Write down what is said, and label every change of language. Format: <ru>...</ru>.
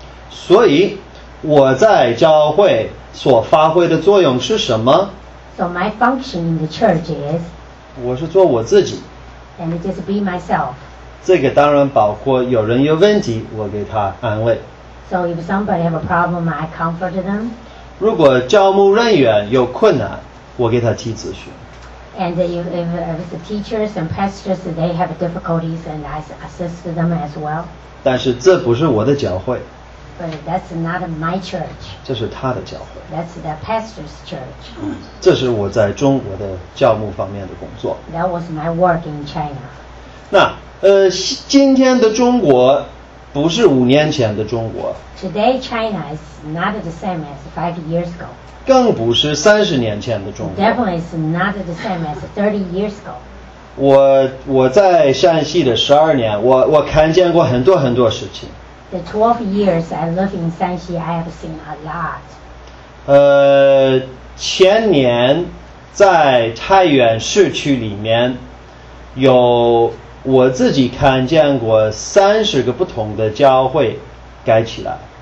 <zh>所以我在教会所发挥的作用是什么？</zh> <en>So my function in the church is.</en> <zh>我是做我自己。</zh> <en>And just be myself.</en> <zh>这个当然包括有人有问题，我给他安慰。</zh> <en>So if somebody have a problem, I comfort them.</en> <zh>如果教牧人员有困难，我给他提咨询。</zh> <en>And if the teachers and pastors, they have difficulties, and I assist them as well.</en> <zh>但是这不是我的教会。</zh> <en>But that's not my church.</en> <zh>这是他的教会。</zh> <en>That's the pastor's church.</en> <zh>这是我在中国的教牧方面的工作。</zh> <en>That was my work in China.</en> <zh>那今天的中国不是五年前的中国。</zh> <en>Today China is not the same as 5 years ago.</en> <zh>更不是三十年前的中国。</zh> <en>Definitely is not the same as 30 years ago.</en> <zh>我在山西的十二年，我看见过很多很多事情。</zh> <en>The 12 years I live in 山西, I have seen a lot.</en> <zh>前年在太原市区里面有我自己看见过30个不同的教会盖起来。</zh>